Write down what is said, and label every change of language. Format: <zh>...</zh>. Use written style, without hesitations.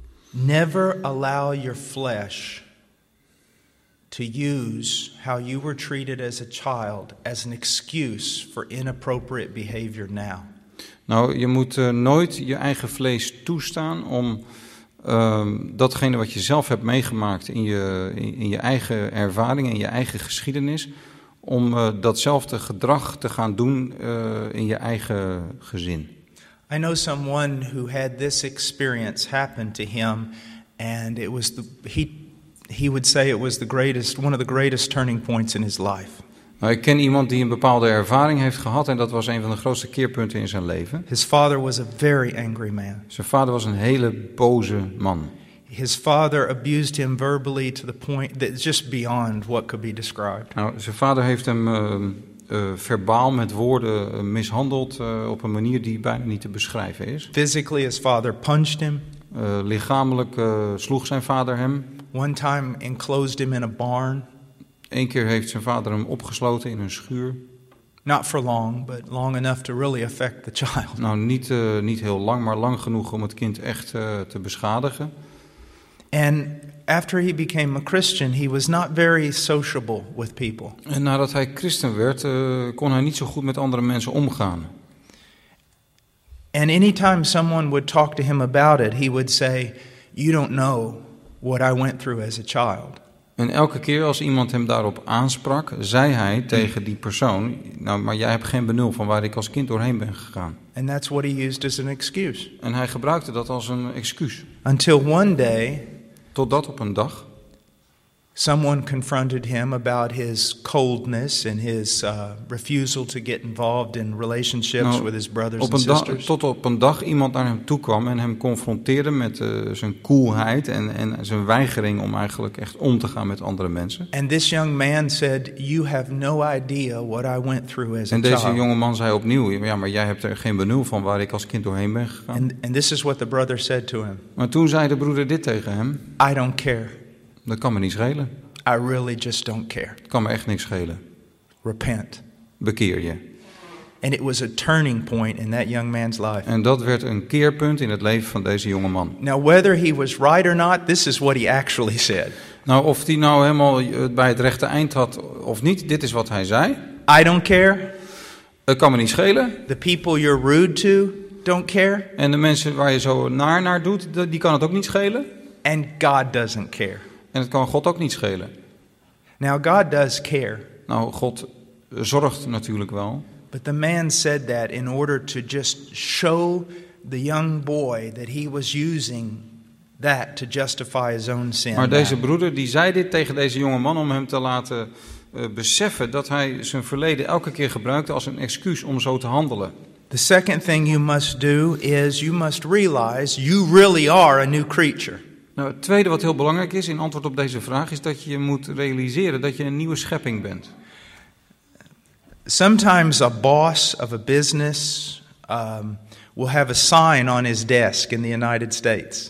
<en>never allow your flesh to use how you were treated as a child as an excuse for inappropriate behavior now.</en> <nl>Nou, je moet nooit je eigen vlees toestaan om datgene wat je zelf hebt meegemaakt in je eigen ervaring, in je eigen geschiedenis, om datzelfde gedrag te gaan doen in je eigen gezin.</nl> <en>I know someone who had this experience happen to him, and it was he would say it was one of the greatest turning points in his life.</en> <nl>Nou, ik ken iemand die een bepaalde ervaring heeft gehad en dat was een van de grootste keerpunten in zijn leven.</nl> <en>His father was a very angry man.</en> <nl>Zijn vader was een hele boze man.</nl> <en>His father abused him verbally to the point that just beyond what could be described.</en> <nl>Nou, zijn vader heeft hem verbaal met woorden mishandeld op een manier die bijna niet te beschrijven is.</nl> <en>Physically, his father punched him.</en> <nl>Lichamelijk sloeg zijn vader hem.</nl> <en>One time enclosed him in a barn.</en> <nl>Eén keer heeft zijn vader hem opgesloten in een schuur.</nl> <en>Not for long, but long enough to really affect the child.</en> <nl>Nou, niet heel lang, maar lang genoeg om het kind echt te beschadigen.</nl> <en>And after he became a Christian, he was not very sociable with people.</en> <nl>En nadat hij christen werd, kon hij niet zo goed met andere mensen omgaan.</nl> <en>And anytime someone would talk to him about it, he would say, "You don't know what I went through as a child."</en> <nl>En elke keer als iemand hem daarop aansprak, zei hij tegen die persoon, nou, maar jij hebt geen benul van waar ik als kind doorheen ben gegaan.</nl> <en>And that's what he used as an excuse.</en> <nl>En hij gebruikte dat als een excuus.</nl> <en>Until one day,</en> <nl>totdat op een dag,</nl> <en>someone confronted him about his coldness and his refusal to get involved in relationships with his brothers and sisters.</en> <nl>Tot op een dag iemand naar hem toe kwam en hem confronteerde met zijn koelheid en zijn weigering om eigenlijk echt om te gaan met andere mensen.</nl> <en>And this young man said, "You have no idea what I went through as a child."</en> <nl>En deze jonge man zei opnieuw, ja, maar jij hebt er geen benul van waar ik als kind doorheen ben gegaan.</nl> <en>And this is what the brother said to him.</en> <nl>Maar toen zei de broeder dit tegen hem.</nl> <en>I don't care.</en> <nl>Dat kan me niet schelen.</nl> <en>I really just don't care.</en> <nl>Dat kan me echt niks schelen.</nl> <en>Repent.</en> <nl>Bekeer je.</nl> <en>And it was a turning point in that young man's life.</en> <nl>En dat werd een keerpunt in het leven van deze jonge man.</nl> <en>Now whether he was right or not, this is what he actually said.</en> <nl>Nou, of hij nou helemaal bij het rechte eind had of niet, dit is wat hij zei.</nl> <en>I don't care.</en> <nl>Dat kan me niet schelen.</nl> <en>The people you're rude to don't care.</en> <nl>En de mensen waar je zo naar doet, die kan het ook niet schelen.</nl> <en>And God doesn't care.</en> <nl>En het kan God ook niet schelen.</nl> <en>Now God does care.</en> <nl>Nou, God zorgt natuurlijk wel.</nl> <en>But the man said that in order to just show the young boy that he was using that to justify his own sin.</en> <nl>Maar deze broeder die zei dit tegen deze jonge man om hem te laten beseffen dat hij zijn verleden elke keer gebruikte als een excuus om zo te handelen.</nl> <en>The second thing you must do is you must realize you really are a new creature.</en> <nl>Nou, het tweede wat heel belangrijk is in antwoord op deze vraag is dat je moet realiseren dat je een nieuwe schepping bent.</nl> <en>Sometimes a boss of a business will have a sign on his desk in the United States.</en>